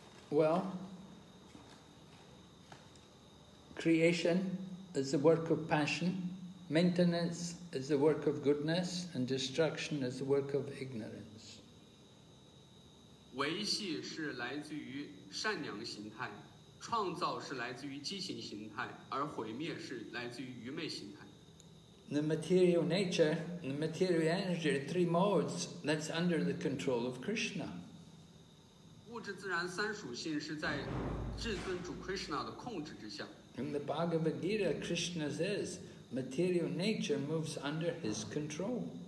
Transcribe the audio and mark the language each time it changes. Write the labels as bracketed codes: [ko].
[en] Well, creation is the work of passion, maintenance is the work of goodness, and destruction is the work of ignorance. [zh] 维系是来自于善良形态，创造是来自于畸形形态，而毁灭是来自于愚昧形态。 [en] The material nature, the material energy, three modes, that's under the control of Krishna. [zh] 物质自然三属性是在至尊主 Krishna 的控制之下。 [en] In the Bhagavad Gita, Krishna says, material nature moves under his control.